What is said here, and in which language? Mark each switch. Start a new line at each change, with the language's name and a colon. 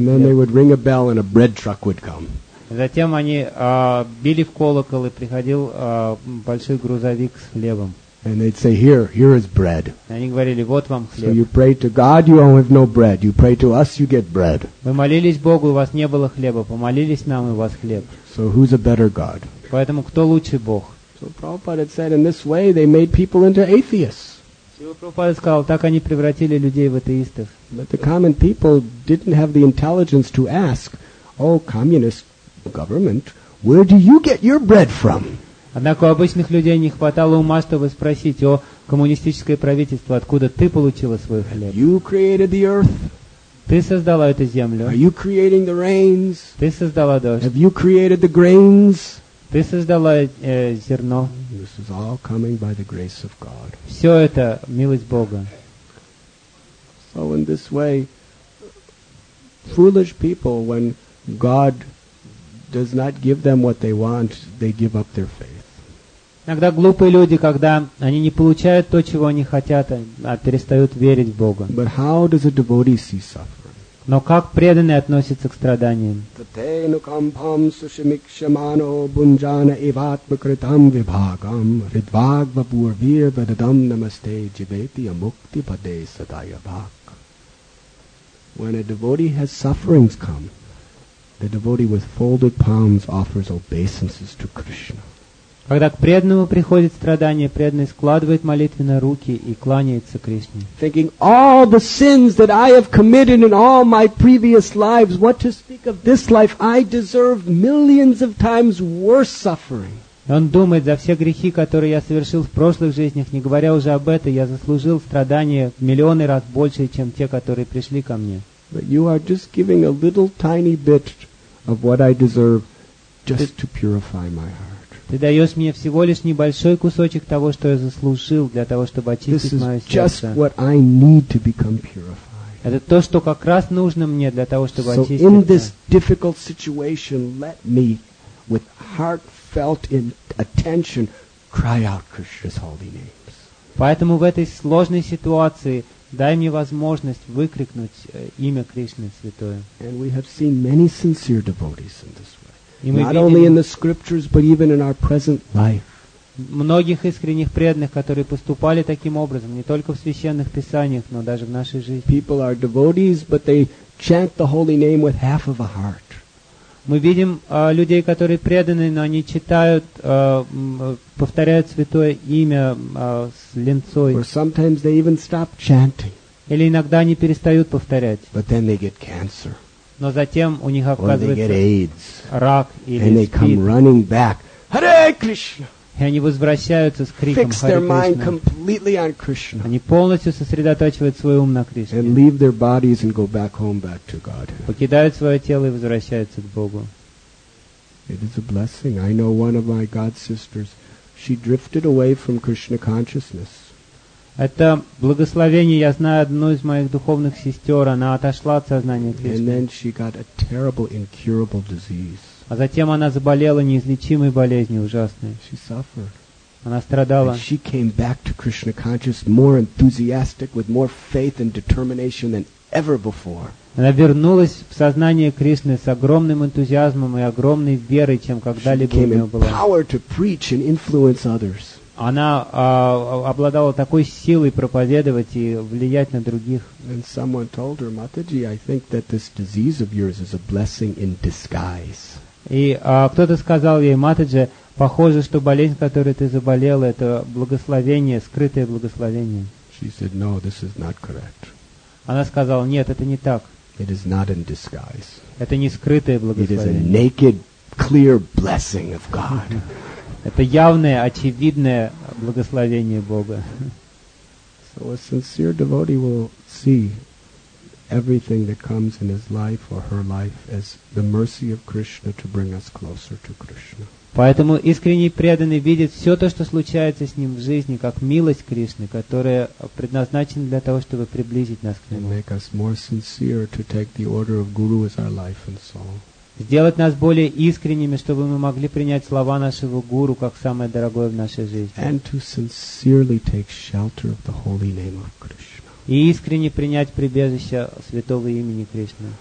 English: And then they would ring a bell, and a bread truck would come.
Russian: Затем они били в колокол, и приходил большой грузовик с хлебом.
English: And they'd say, here is bread.
Russian: И они говорили: "Вот вам хлеб."
English: So you pray to God, you don't have no bread. You pray to us, you get bread.
Russian: Вы молились Богу, у вас не было хлеба. Помолились нам, и у вас хлеб.
English: So who's a better God?
Russian: Поэтому кто лучше Бог?
English: So Prabhupada said, in this way, they made people into atheists.
Russian: Сила Прабхупада сказал, так они превратили людей в атеистов.
English: But the common people didn't have the intelligence to ask, "Oh, communist government, where do you get your bread from?"
Russian: Однако у обычных людей не хватало ума, чтобы спросить: "О, коммунистическое правительство, откуда ты получила свой хлеб?
English: You created the earth.
Russian: Ты создала эту землю.
English: Are you creating the rains?
Russian: Ты создала дождь.
English: Have you created the grains?
Russian: Ты создала зерно.
English: This is all coming by the grace of God.
Russian: Все это милость Бога.
English: So in this way, foolish people, when God does not give them what they want, they give up their faith.
Russian: Иногда глупые люди, когда они не получают то, чего они хотят, а перестают верить в Бога.
English: But how does a devotee see suffering?
Russian: Но как преданный относится к страданиям?
Sanskrit: Tatenukam pam sushimikshamano bunjana evatmakritam vibhagam ridvagva purvir vedadam namaste jiveti amukti pade sadayabhak.
English: When a devotee has sufferings come, the devotee with folded palms offers obeisances to Krishna.
Russian: Когда к преданному приходит страдание, преданный складывает молитвенно руки и кланяется Кришне.
English: Thinking all the sins that I have committed in all my previous lives, what to speak of this life, I deserve millions of times worse suffering.
Russian: Он думает: за все грехи, которые я совершил в прошлых жизнях, не говоря уже об этом, я заслужил страдания в миллионы раз больше, чем те, которые пришли ко мне.
English: But you are just giving a little tiny bit of what I deserve just to purify my heart.
Russian: Ты даешь мне всего лишь небольшой кусочек того, что я заслужил, для того, чтобы очистить мое сердце.
English: This is just what I need to become purified.
Russian: Это то, что как раз нужно мне для того, чтобы очиститься.
English: So in this difficult situation, let me, with heartfelt attention, cry out Krishna's holy names.
Russian: Поэтому в этой сложной ситуации дай мне возможность выкрикнуть имя Кришны Святое.
English: And we have seen many sincere devotees in this way. Not only in the scriptures, but even in our present life.
Russian: Многих искренних преданных, которые поступали таким образом, не только в священных писаниях, но даже в нашей жизни.
English: People are devotees, but they chant the holy name with half of a heart.
Russian: Мы видим людей, которые преданы, но они читают, повторяют святое имя с линцой.
English: Or sometimes they even stop chanting.
Russian: Или иногда они перестают повторять.
English: But then they get cancer.
Russian: Но затем у них оказывается
English: Or they get AIDS.
Russian: Рак или
English: And they СПИД. Come running back. Hare Krishna!
Russian: И они возвращаются с криком
English: Fix their mind completely on Krishna.
Russian: Они полностью сосредотачивают свой ум на Кришне.
English: And leave their bodies and go back home, back to God.
Russian: Покидают свое тело и возвращаются к Богу.
English: It is a blessing. I know one of my God sisters. She drifted away from Krishna consciousness.
Russian: Это благословение. Я знаю одну из моих духовных сестер. Она отошла от сознания Кришны.
English: And then she got a terrible, incurable disease.
Russian: А затем она заболела неизлечимой болезнью ужасной.
English: She suffered.
Russian: Она страдала.
English: And she came back to Krishna consciousness more enthusiastic, with more faith and determination than ever before.
Russian: Она вернулась в сознание Кришны с огромным энтузиазмом и огромной верой, чем когда-либо у нее была.
English: Power to preach and influence others.
Russian: Она обладала такой силой проповедовать и влиять на других.
English: And someone told her, Mataji, I think that this disease of yours is a blessing in disguise.
Russian: И кто-то сказал ей, Матаджи, похоже, что болезнь, которой ты заболела, это благословение, скрытое благословение.
English: She said, no, this is not correct.
Russian: Она сказала, нет, это не так.
English: It is not in disguise.
Russian: Это не скрытое благословение.
English: It is a naked, clear blessing of God.
Russian: Это явное, очевидное благословение Бога.
English: So a sincere devotee will see everything that comes in his life or her life as the mercy of Krishna to bring us closer to Krishna.
Russian: Поэтому искренний преданный видит все то, что случается с ним в жизни, как милость Кришны, которая предназначена для того, чтобы приблизить нас к Нему.
English: And make us more sincere to take the order of Guru as our life and soul.
Russian: Сделать нас более искренними, чтобы мы могли принять слова нашего Гуру как самое дорогое в нашей жизни.
English: And to sincerely take shelter of the holy name of Krishna.
Russian: И искренне принять прибежище святого имени Кришны.